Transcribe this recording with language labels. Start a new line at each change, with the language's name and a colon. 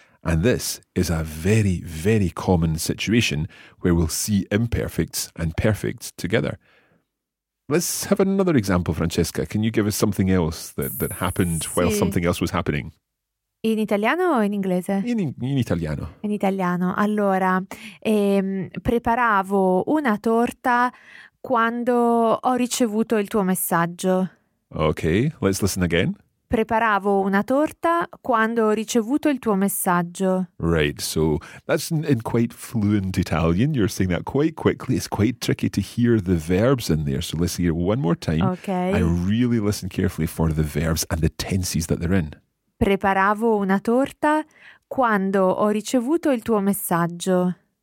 English: And this is a very, very common situation where we'll see imperfects and perfects together. Let's have another example, Francesca. Can you give us something else that happened while something else was happening?
Italian: In italiano o in inglese? In italiano. In italiano. Allora, preparavo una torta quando ho ricevuto il tuo messaggio.
English: Okay, let's listen again.
Italian: Preparavo una torta quando ho ricevuto il tuo messaggio.
English: Right, so that's in quite fluent Italian. You're saying that quite quickly. It's quite tricky to hear the verbs in there. So let's hear it one more time. Okay. I really listen carefully for the verbs and the tenses that they're in.
Italian: Preparavo una torta quando ho ricevuto il tuo messaggio.